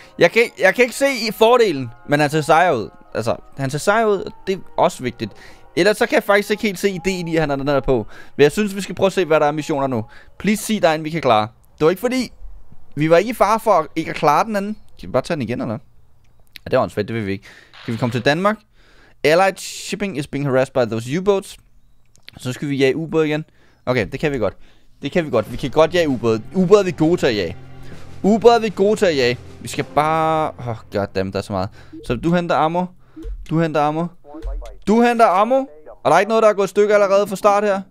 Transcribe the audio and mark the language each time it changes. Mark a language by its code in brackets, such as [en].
[da] Jeg kan ikke se i fordelen, men han ser sejere ud. Altså, han ser sejere ud, og det er også vigtigt. Ellers så kan jeg faktisk ikke helt se ideen i, at han har den her på. Men jeg synes, vi skal prøve at se, hvad der er missioner nu. Please sig dig, vi kan klare. Det var ikke fordi, vi var ikke i fare for ikke at klare den anden. Kan vi bare tage den igen, eller? Ja, det er åndssvagt, det vil vi ikke. Kan vi komme til Danmark? [en] Allied shipping is being harassed by those U-boats. [da] Så skal vi jage U-båd igen. Okay, det kan vi godt. Det kan vi godt. Vi kan godt jage U-båd. U-båd er vi gode til at jage. U-båd er vi gode til at jage. Vi skal bare... Åh, [en] oh, goddammit, [da] der er så meget. Så du henter ammo. Du henter ammo. Du henter ammo. Og der er ikke noget, der er gået stykke allerede fra start her.